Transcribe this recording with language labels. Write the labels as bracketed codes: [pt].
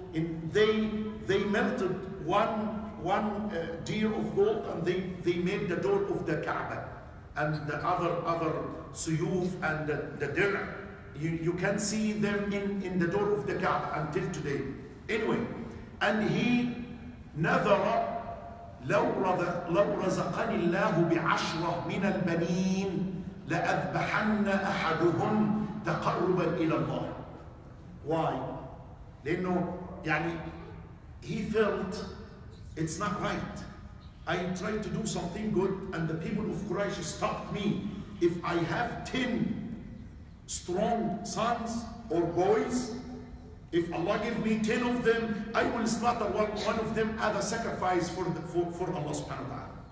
[en] And they melted one deer of gold, and they made the door of the Kaaba and the other suyuf and the dirah. You can see them in the door of the Kaaba until today. Anyway, and he [ar] nadhara لو رزقني الله بعشرة من البنين لأذبحن أحدهم تقربا إلى الله. [en] Why? [ar] لأنه يعني [en] he felt it's not right. I tried to do something good and the people of Quraysh stopped me. If I have 10 strong sons or boys, if Allah give me 10 of them, I will slaughter one of them as a sacrifice for Allah subhanahu wa ta'ala.